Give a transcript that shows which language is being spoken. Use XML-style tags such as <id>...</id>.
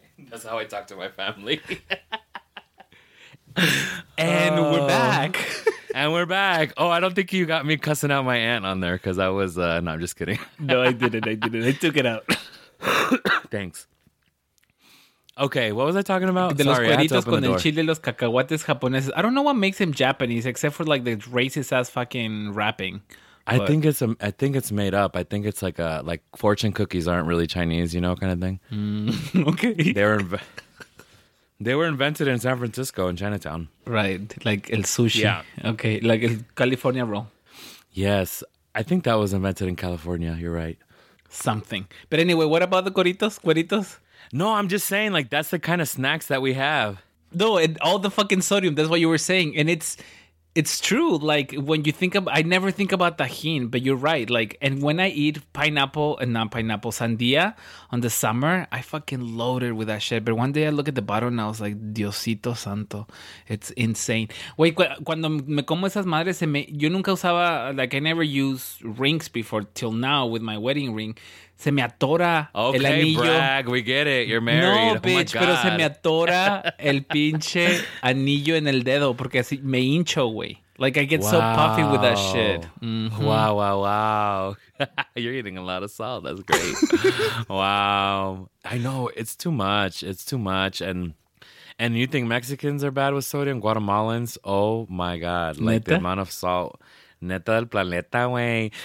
<en>That's how I talk to my family. And we're back. And we're back. Oh, I don't think you got me cussing out my aunt on there because I was... No, I'm just kidding. No, I didn't. I didn't. I took it out. Thanks. Okay, what was I talking about?</en> <es>De los cueritos con el chile, los cacahuates japoneses.</es> <en>I don't know what makes him Japanese except for like the racist ass fucking rapping. I think it's made up. I think it's like a fortune cookies aren't really Chinese, you know, kind of thing. Okay. They were invented in San Francisco in Chinatown. Right, like</en> <es>el sushi.</es> <en>Yeah. Okay, like el California roll. Yes, I think that was invented in California. You're right. Something. But anyway, what about the cueritos? Cueritos? No, I'm just saying, like, that's the kind of snacks that we have. No, and all the fucking sodium, that's what you were saying. And it's true, like, when you think of, I never think about tajin, but you're right. Like, and when I eat pineapple, and not pineapple, sandia on the summer, I fucking load it with that shit. But one day I look at the bottle and I was like,</en> <es>Diosito Santo,</es> <en>it's insane. Wait,</en> <es>cuando me como esas madres, yo nunca usaba,</es> <en>like, I never used rings before till now with my wedding ring.</en> <es>Se me atora</es> <en>okay,</en> <es>el anillo.</es> <en>Brag, we get it, you're married. No, oh bitch,</en> <es>pero se me atora el pinche anillo en el dedo porque así me hincho, güey.</es> <en>Like, I get wow. So puffy with that shit. Mm-hmm. Wow, wow, wow. You're eating a lot of salt, that's great. Wow. I know, it's too much. And you think Mexicans are bad with sodium? Guatemalans? Oh my God. Like,</en> <es>¿neta?</es> <en>The amount of salt.</en> <es>Neta del planeta, güey.</es>